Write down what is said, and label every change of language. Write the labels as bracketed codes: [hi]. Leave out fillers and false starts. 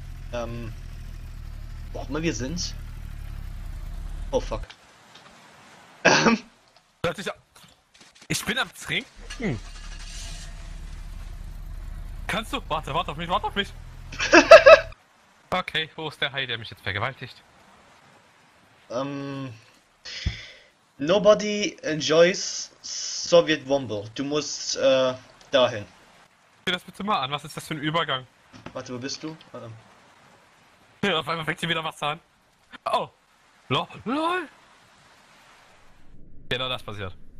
[de] Wo auch immer wir sind? Oh fuck. Ich bin am Trinken. Kannst du? Warte auf mich! Okay, wo ist der Hai, der mich jetzt vergewaltigt? [en] Nobody enjoys Soviet Womble. [de] Du musst, dahin. Sieh das bitte mal an, was ist das für ein Übergang? Warte, wo bist du? Ja, auf einmal fängt hier wieder Wasser an. Oh! LOL! Genau das passiert.